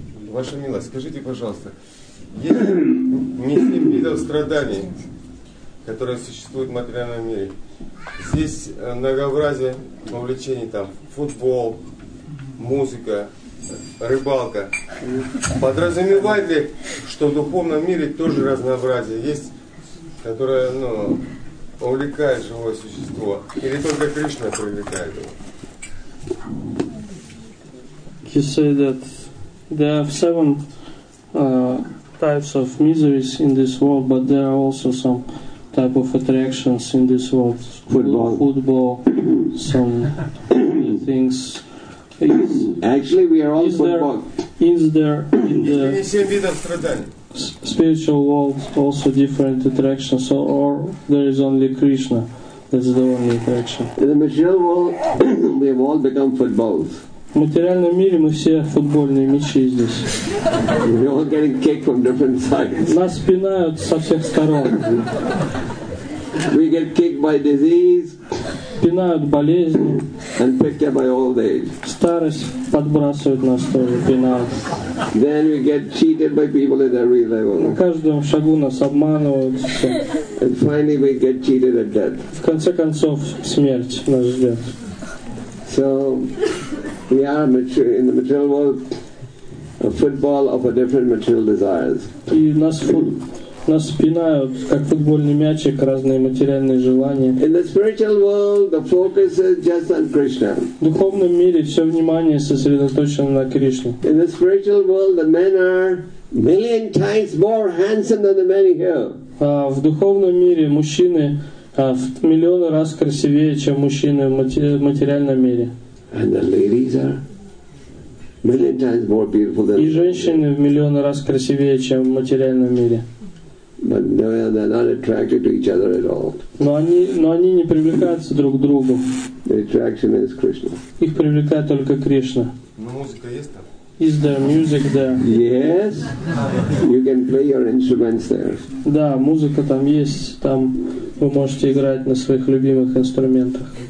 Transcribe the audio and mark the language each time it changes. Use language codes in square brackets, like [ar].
[ru] Ваша милость, скажите, пожалуйста, если не семь видов страданий, которые существуют в материальном мире, здесь многообразие увлечений, там, футбол, музыка, рыбалка. Подразумевает ли, что в духовном мире тоже разнообразие есть, которое, ну, увлекает живое существо? Или только Кришна привлекает его? [en] He said that there are seven types of miseries in this world, but there are also some type of attractions in this world. Football, some things. Actually, we are all is football. There, is there in the spiritual world also different attractions, so, or there is only Krishna? That's the only attraction. In the material world, we have all become footballs. [ru] В материальном мире мы все футбольные мячи здесь. [en] We're all getting kicked from different sides. [ru] Нас пинают со всех сторон. [en] We get kicked by disease. [ru] Пинают болезни. [en] And picked up by old age. [ru] Старость подбрасывает нас тоже, пинают. [en] Then we get cheated by people at every level. [ru] На каждом шагу нас обманывают. [en] And finally we get cheated at death. [ru] В конце концов, смерть нас ждет. [en] So, we are in the material world a football of a different material desires. [ru] И нас спинают как футбольный мячик разные материальные желания. [en] In the spiritual world, the focus is just on Krishna. [ru] В духовном мире все внимание сосредоточено на Кришне. [en] In the spiritual world, the men are million times more handsome than the men here. [ru] В духовном мире мужчины в миллионы раз красивее, чем мужчины в материальном мире. [en] And the ladies are million times more beautiful than. [ru] И женщины в миллионы раз красивее, чем в материальном мире. [en] But no, they're not attracted to each other at all. [ru] Но они не привлекаются друг к другу. [en] The attraction is Krishna. [ru] Их привлекает только Кришна. Но музыка есть там. [en] Is there music there? Yes. You can play your instruments there. [ru] Да, музыка там есть. Там вы можете играть на своих любимых инструментах.